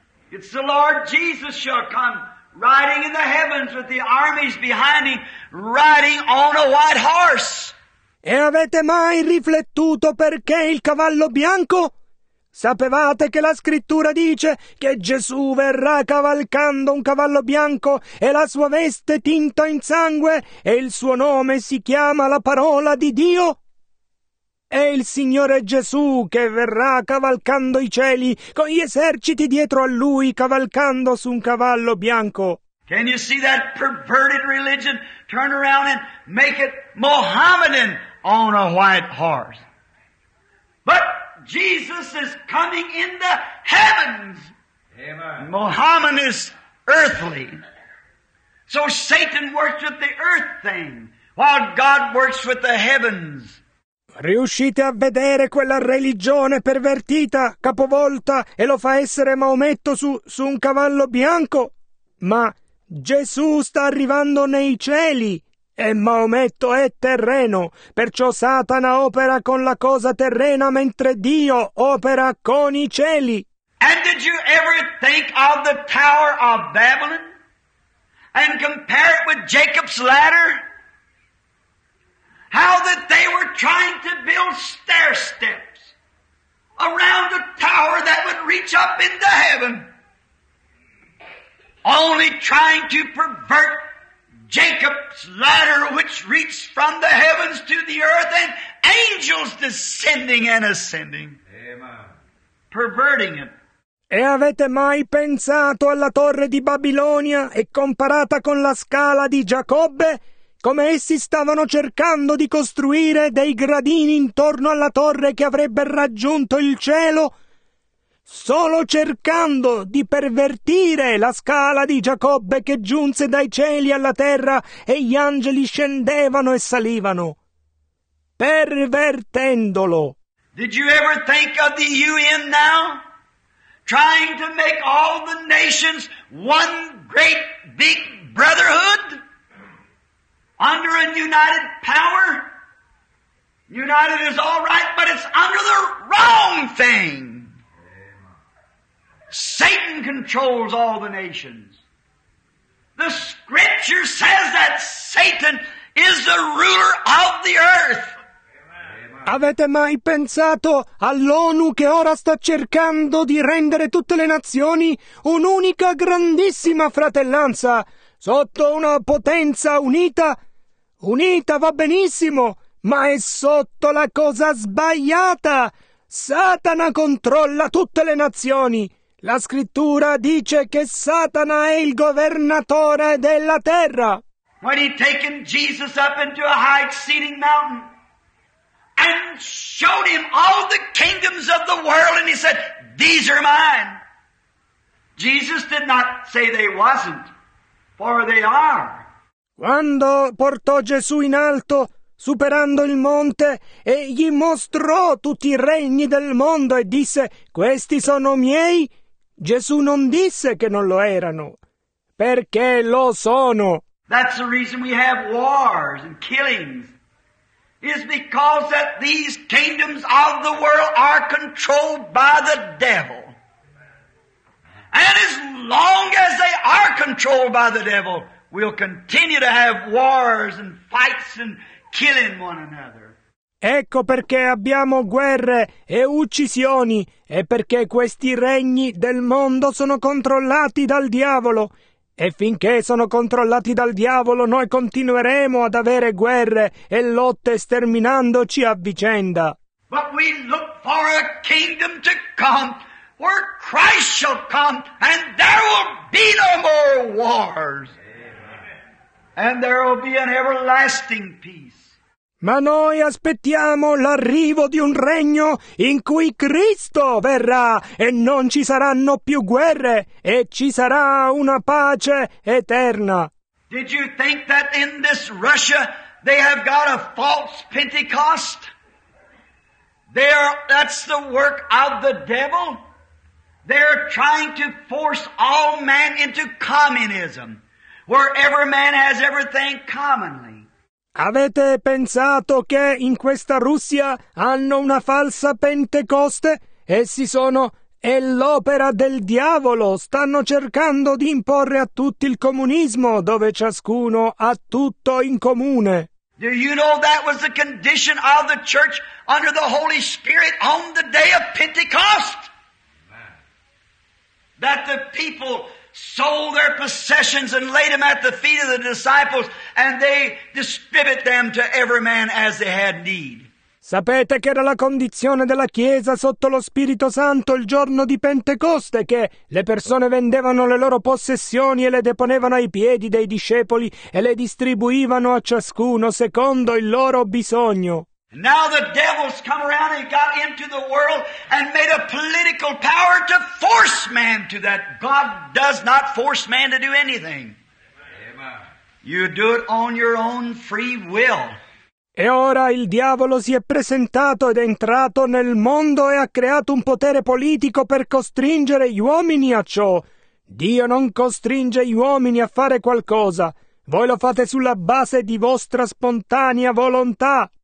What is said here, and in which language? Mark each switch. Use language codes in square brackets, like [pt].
[en] It's the Lord Jesus shall come riding in the heavens with the armies behind him, riding on a white horse. [it] E avete mai riflettuto perché il cavallo bianco? Sapevate che la scrittura dice che Gesù verrà cavalcando un cavallo bianco e la sua veste tinta in sangue e il suo nome si chiama la parola di Dio? È il Signore Gesù che verrà cavalcando i cieli con gli eserciti dietro a lui cavalcando su un cavallo bianco. [en] Can you see that perverted religion turn around and make it Mohammedan on a white horse? But Jesus is coming in the heavens. Amen. Mohammed is earthly. So Satan works with the earth thing, while God works with the heavens. [it] Riuscite a vedere quella religione pervertita, capovolta, e lo fa essere Maometto su un cavallo bianco? Ma Gesù sta arrivando nei cieli. E Maometto è terreno, perciò Satana opera con la cosa terrena mentre Dio opera con i cieli. [en] And did you ever think of the Tower of Babylon and compare it with Jacob's ladder? How that they were trying to build stair steps around a tower that would reach up into heaven, only trying to pervert Jacob's ladder, which reached from the heavens to the earth, and angels descending and ascending. Amen. Perverting it. [it] E avete mai pensato alla torre di Babilonia e comparata con la scala di Giacobbe? Come essi stavano cercando di costruire dei gradini intorno alla torre che avrebbe raggiunto il cielo? Solo cercando di pervertire la scala di Giacobbe che giunse dai cieli alla terra e gli angeli scendevano e salivano, pervertendolo. [en] Did you ever think of the UN now? Trying to make all the nations one great big brotherhood? under a united power. United is all right, but it's under the wrong thing. Satan controls all the nations. The scripture says that Satan is the ruler of the earth. [it] Avete mai pensato all'ONU che ora sta cercando di rendere tutte le nazioni un'unica grandissima fratellanza sotto una potenza unita? Unita va benissimo, ma è sotto la cosa sbagliata. Satana controlla tutte le nazioni. La scrittura dice che Satana è il governatore della terra. [en] When he taken Jesus up into a high exceeding mountain and showed him all the kingdoms of the world, and he said, these are mine. Jesus did not say they wasn't, for they are. [it] Quando portò Gesù in alto, superando il monte, e gli mostrò tutti i regni del mondo e disse, questi sono miei, Gesù non disse che non lo erano, perché lo sono. [en] That's the reason we have wars and killings. Is because that these kingdoms of the world are controlled by the devil. And as long as they are controlled by the devil, we'll continue to have wars and fights and killing one another. [it] Ecco perché abbiamo guerre e uccisioni, e perché questi regni del mondo sono controllati dal diavolo. E finché sono controllati dal diavolo, noi continueremo ad avere guerre e lotte sterminandoci a vicenda. [en] But we look for a kingdom to come, where Christ shall come, and there will be no more wars. And there will be an everlasting peace. [it] Ma noi aspettiamo l'arrivo di un regno in cui Cristo verrà e non ci saranno più guerre e ci sarà una pace eterna. [en] Did you think that in this Russia they have got a false Pentecost? That's the work of the devil. They're trying to force all man into communism, where every man has everything commonly. [it] Avete pensato che in questa Russia hanno una falsa Pentecoste? Essi sono è l'opera del diavolo. Stanno cercando di imporre a tutti il comunismo, dove ciascuno ha tutto in comune. [en] Do you know that was the condition of the church under the Holy Spirit on the day of Pentecost? That the people sold their possessions and laid them at the feet of the disciples, and they distributed them to every man as they had need. [it] Sapete che era la condizione della Chiesa sotto lo Spirito Santo il giorno di Pentecoste, che le persone vendevano le loro possessioni e le deponevano ai piedi dei discepoli e le distribuivano a ciascuno secondo il loro bisogno. [en] Now the devil's come around and got into the world and made a political power to force man to that. God does not force man to do anything. Amen. You do it on your own free will. [it] E ora il diavolo si è presentato ed è entrato nel mondo e ha creato un potere politico per costringere gli uomini a ciò. Dio non costringe gli uomini a fare qualcosa. Voi lo fate sulla base di vostra spontanea volontà.